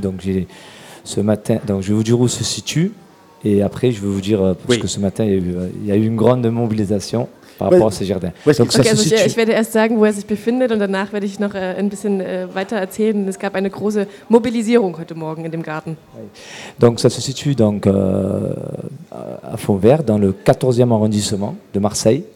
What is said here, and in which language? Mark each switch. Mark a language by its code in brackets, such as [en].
[fr] Donc j'ai ce matin. Donc je vais vous dire où se situe et après je vais vous dire parce que ce matin il y a eu une grande mobilisation. [de] Ich werde erst sagen, wo er sich befindet, und danach werde ich noch ein bisschen weiter erzählen. Es gab eine große Mobilisierung heute Morgen in dem Garten. [fr] Donc ça se situe donc à Fontvert dans le 14e arrondissement de Marseille.